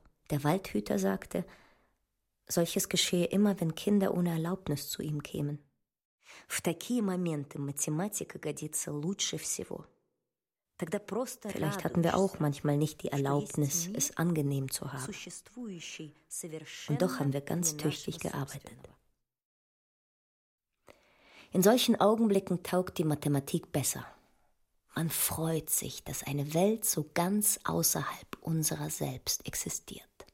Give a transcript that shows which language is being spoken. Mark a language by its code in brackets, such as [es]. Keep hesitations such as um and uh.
[de] Der Waldhüter sagte, solches geschehe immer, wenn Kinder ohne Erlaubnis zu ihm kämen. [ru] В такие моменты математика годится лучше всего. Тогда [de] Vielleicht hatten wir auch manchmal nicht die Erlaubnis, es angenehm zu haben. Und doch haben wir ganz tüchtig gearbeitet. In solchen Augenblicken taugt die Mathematik besser. Man freut sich, dass eine Welt so ganz außerhalb unserer selbst existiert.